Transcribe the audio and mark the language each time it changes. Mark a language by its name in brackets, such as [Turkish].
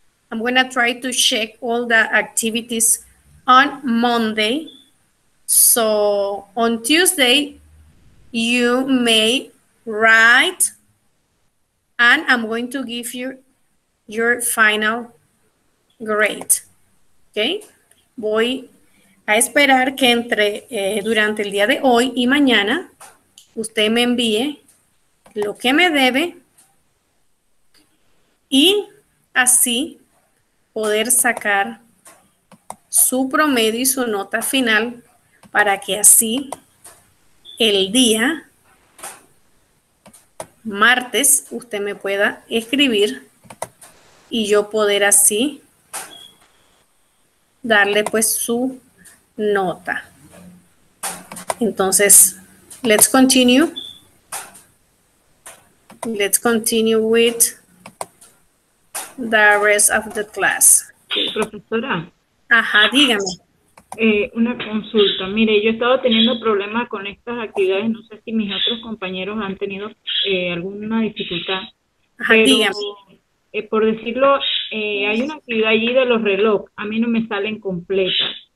[English] I'm going to try to check all the activities on Monday. So on Tuesday, you may write, and I'm going to give you your final grade. Okay? [Spanish] Voy a esperar que entre durante el día de hoy y mañana usted me envíe lo que me debe y así poder sacar su promedio y su nota final para que así el día martes usted me pueda escribir y yo poder así darle pues su nota. Entonces, [English] let's continue with the rest of the class. [Spanish] Profesora. Ajá, dígame. Una consulta. Mire, yo he estado teniendo problemas con estas actividades. No sé si mis otros compañeros han tenido alguna dificultad. Ajá, pero, dígame. Por decirlo, hay una actividad allí de los relojes. A mí no me salen completas.